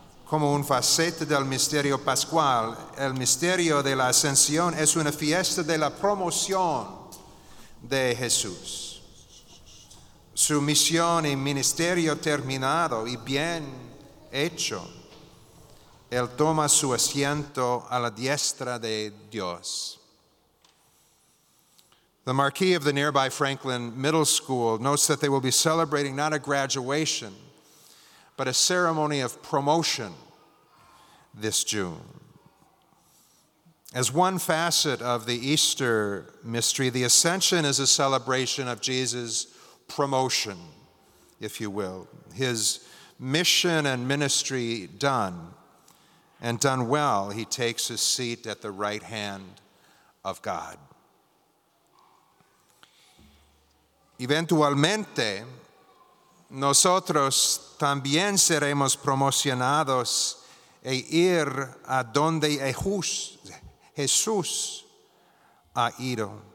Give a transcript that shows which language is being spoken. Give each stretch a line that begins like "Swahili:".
Spanish: Como un faceta del misterio pascual, el misterio de la ascensión es una fiesta de la promoción de Jesús. Su misión y ministerio terminado y bien hecho, Él toma su asiento a la diestra de Dios.
English: The marquee of the nearby Franklin Middle School notes that they will be celebrating not a graduation, but a ceremony of promotion this June. As one facet of the Easter mystery, the Ascension is a celebration of Jesus' promotion, if you will, his mission and ministry done. And done well, he takes his seat at the right hand of God.
Spanish: Eventualmente, nosotros también seremos promocionados e ir a donde Jesús ha ido.